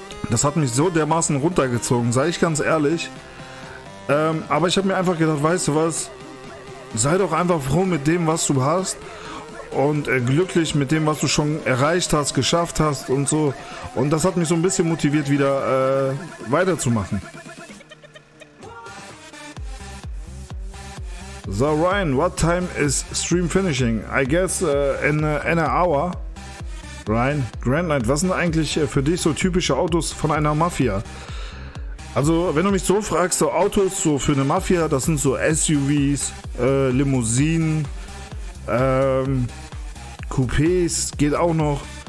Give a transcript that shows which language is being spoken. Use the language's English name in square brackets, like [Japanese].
[German] Das hat mich so dermaßen runtergezogen, sei ich ganz ehrlich. Aber ich habe mir einfach gedacht, weißt du was, sei doch einfach froh mit dem, was du hast und glücklich mit dem, was du schon erreicht hast, geschafft hast und so. Und das hat mich so ein bisschen motiviert, wieder weiterzumachen. [English] So, Ryan, what time is stream finishing? I guess in an hour. [German] Ryan, Grandline, was sind eigentlich für dich so typische Autos von einer Mafia? Also, wenn du mich so fragst, so Autos so für eine Mafia, das sind so SUVs, Limousinen, Coupés, geht auch noch.